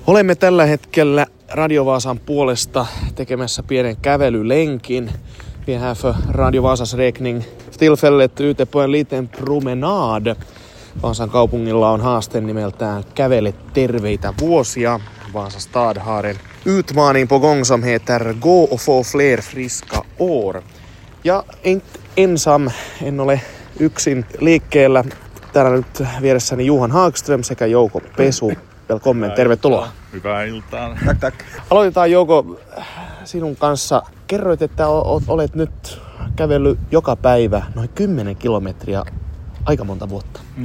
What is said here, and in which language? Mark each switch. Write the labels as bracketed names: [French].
[Finnish] Olemme tällä hetkellä Radio Vaasan puolesta tekemässä pienen kävelylenkin. [Swedish] Vi här för Radio Vaasas räkning tillfället ute på en liten promenad. [Finnish] Vaasan kaupungilla on haaste nimeltään Kävele terveitä vuosia. [Swedish] Vaasa stad har en utmaning på gång som heter Gå och få fler friska år. [Finnish] Ja ensam, en ole yksin liikkeellä. Täällä nyt vieressäni Johan Hagström sekä Jouko Pesu. [Swedish] Välkommen, [Finnish] tervetuloa. Hyvää iltaa. [Swedish] Tak. [Finnish] Aloitetaan Jouko sinun kanssa. Kerroit, että olet nyt kävellyt joka päivä noin 10 kilometriä aika monta vuotta.